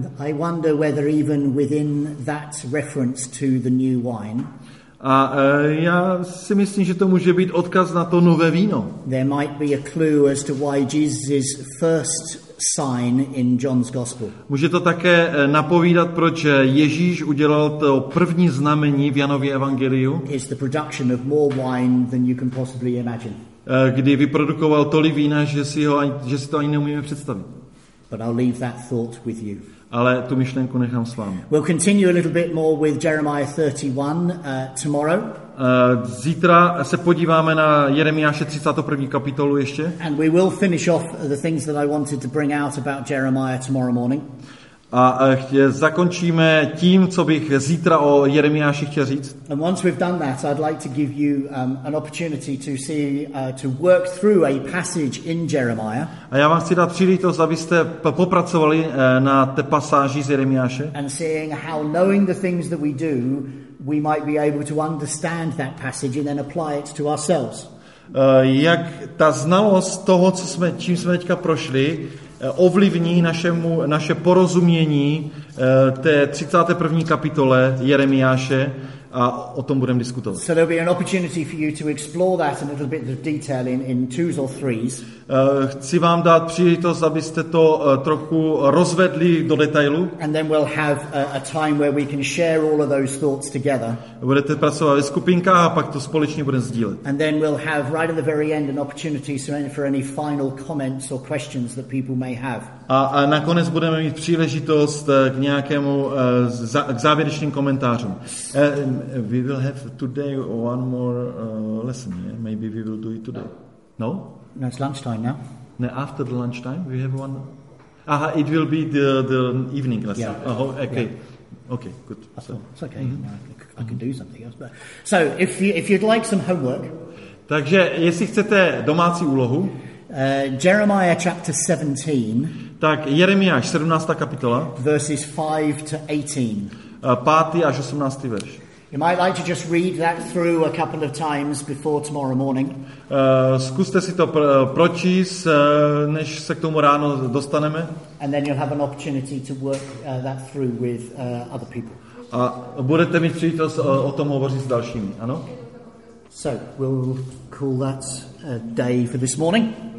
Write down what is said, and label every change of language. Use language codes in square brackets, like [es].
[en] I wonder whether even within that reference to the new wine. [cs] A já si myslím, že to může být odkaz na to nové víno. [en] There might be a clue as to why Jesus' first sign in John's gospel. [cs] Může to také napovídat, proč Ježíš udělal to první znamení v Janově evangeliu. [en] It's the production of more wine than you can possibly imagine. [cs] Kdy vyprodukoval tolik vína, že si to ani neumíme představit. [en] But I'll leave that thought with you. [cs] Ale tu myšlenku nechám s vámi. [en] We'll continue a little bit more with Jeremiah 31 tomorrow. [cs] Zítra se podíváme na Jeremiáše 31. kapitolu ještě. [en] And we will finish off the things that I wanted to bring out about Jeremiah tomorrow morning. [cs] A zakončíme tím, co bych zítra o Jeremiáši chtěl říct. [en] And once we've done that, I'd like to give you an opportunity to see to work through a passage in Jeremiah. [cs] A já vám chci dát příležitost, abyste popracovali na té pasáži z Jeremiáše. [en] And seeing how knowing the things that we do, we might be able to understand that passage and then apply it to ourselves. [cs] Jak ta znalost toho, čím jsme teďka prošli, ovlivní naše porozumění té 31. kapitole Jeremiáše, a o tom budeme diskutovat. [en] So there'll be an opportunity for you to explore that in a little bit of detail in twos or threes. [cs] Chci vám dát příležitost, abyste to trochu rozvedli do detailu. [en] And then we'll have a time where we can share all of those thoughts together. [cs] Budete pracovat ve skupinkách a pak to společně budeme sdílet. [en] And then we'll have right at the very end an opportunity for any final comments or questions that people may have. [cs] A nakonec budeme mít příležitost k nějakému k závěrečným komentářům. [en] We will have today one more lesson. Yeah? Maybe we will do it today. No? No, it's lunchtime now. No, after the lunchtime, we have one. Aha, it will be the evening lesson. Yeah. Oh, okay. Yeah. Okay, good. It's okay. Mm-hmm. I can do something else. But... So, if you'd like some homework. [cs] Takže, jestli chcete domácí úlohu. [en] Jeremiah chapter 17. [cs] Tak Jeremiáš, 17. kapitola. [en] Verses 5 to 18. [cs] 5. až 18. verš. [en] You might like to just read that through a couple of times before tomorrow morning. [cs] Zkuste si to pročíst, než se k tomu ráno dostaneme. [en] And then you'll have an opportunity to work that through with other people. [cs] A budete mít příležitost o tom hovořit s dalšími, ano? [en] So, we'll call that a day for this morning.